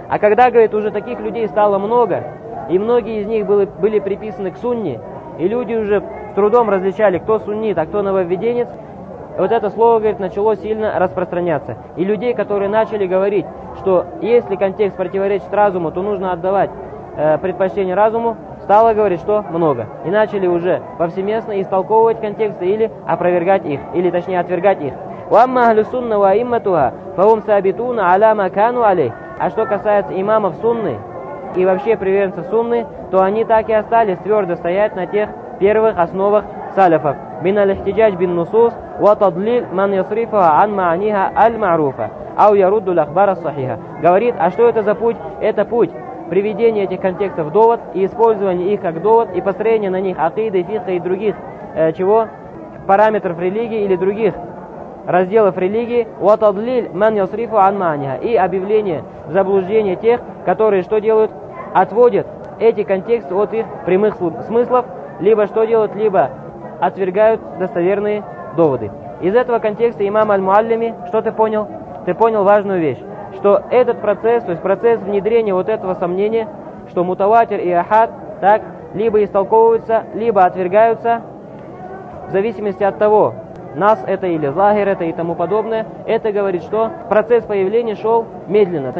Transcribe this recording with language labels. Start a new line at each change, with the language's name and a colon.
Russian: А когда, говорит, уже таких людей стало много, и многие из них были приписаны к сунне, и люди уже трудом различали, кто суннит, а кто нововведенец, вот это слово, говорит, начало сильно распространяться. И людей, которые начали говорить, что если контекст противоречит разуму, то нужно отдавать предпочтение разуму, стало говорить, что много. И начали уже повсеместно истолковывать контексты или опровергать их, или точнее отвергать их.
Arabic: وأما أهل السنة وأئمتها فهم ثابتون على ما كانوا عليه.
Russian: А что касается имамов сунны и вообще приверженцев сунны, то они так и остались твердо стоять на тех первых основах салифов.
Arabic: من الاحتجاج بالنصوص وتضليل من يصرفها عن معانيها المعروفة أو يرد الأخبار الصحيحة.
Russian: Говорит, а что это за путь? Это путь приведения этих контекстов в довод и использования их как довод и построения на них акиды, фикха и других чего? Параметров религии или других разделов религии.
Arabic: وتضليل من يصرفها عن معانيها.
Russian: И объявление в заблуждение тех, которые что делают? Отводят эти контексты от их прямых смыслов, либо что делают? Либо отвергают достоверные доводы. Из этого контекста имам аль-Муаллими, что ты понял? Ты понял важную вещь, что этот процесс, то есть процесс внедрения вот этого сомнения, что мутаватир и ахад, так, либо истолковываются, либо отвергаются, в зависимости от того, нас это или лагерь это и тому подобное, это говорит, что процесс появления шел медленно.